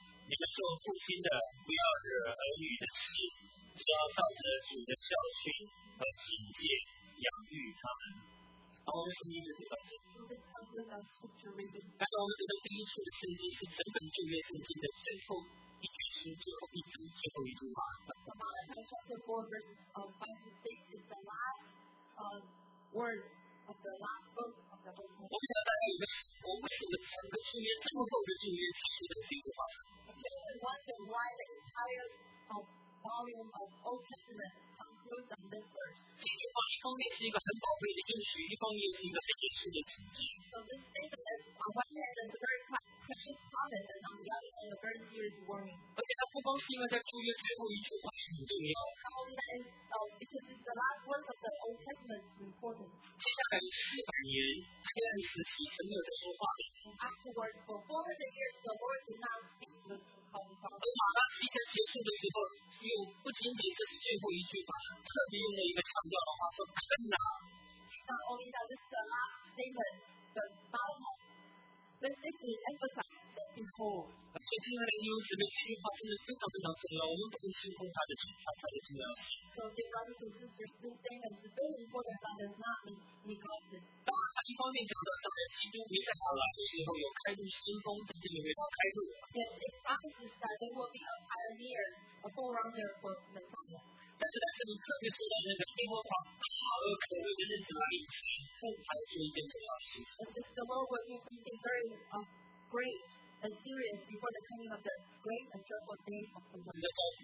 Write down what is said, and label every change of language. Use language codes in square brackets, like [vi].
[zh] 你们做父亲的不要惹儿女的事，只要照着主的教训和警戒养育他们。好，我们先读这段经文。那我们这个第一处的圣经是整本旧约圣经的最后一卷书，最后一章，最后一句话。 [en] Chapter 4, verses 5 to 6 is the last words of the last book of the Old Testament. Okay, we wonder why the entire volume of Old Testament concludes on this verse. So this statement is, on one hand, it's a very precious promise, and on the other hand, a very serious warning. Not only that, because it's the last word of the Old Testament, it's important. Afterwards, for 400 years, the Lord did not speak with [zh] 而马拉西在结束的时候，只有不仅仅这是最后一句话，特别用了一个强调的话说：“看哪。” [en] Not only that, this is the last statement, but Malachi specifically emphasized that behold. [zh] 所以，亲爱的弟兄姊妹，这句话真的非常非常重要，我们不能轻忽它的重要性。 [en] So, dear brothers and sisters, this statement is very important, but does not mean neglected. [zh] 当然，它一方面讲到将来基督弥赛亚来的时候有开路新风，在这里面要开路。 [en] That there will be a pioneer, a forerunner for the Messiah. But this is the Lord who is speaking very great and serious and before the coming of the great and joyful day of the Lord.